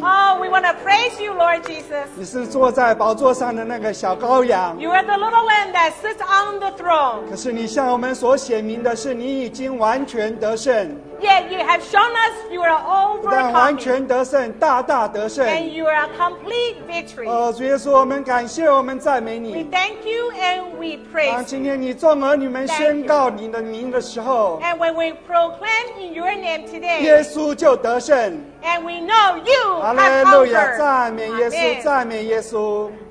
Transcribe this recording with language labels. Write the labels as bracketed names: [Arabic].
[English] Oh, we want to praise you, Lord Jesus. [Chinese] 你是坐在宝座上的那个小羔羊。 [English] You are the little lamb that sits on the throne. [Chinese] 可是你向我们所显明的是，你已经完全得胜。 [English] Yet you have shown us you are overcome. [Chinese] 但完全得胜，大大得胜。 [English] And you are a complete victory. [Chinese] 主耶稣，我们感谢，我们赞美你。 [English] We thank you and we praise you. [Chinese] 当今天你众儿女们宣告你的名的时候 [English] ，And when we proclaim in your name today, [Chinese] 耶稣就得胜。 [English] And we know you have conquered. [Chinese] 哈利路亚，赞美耶稣，赞美耶稣。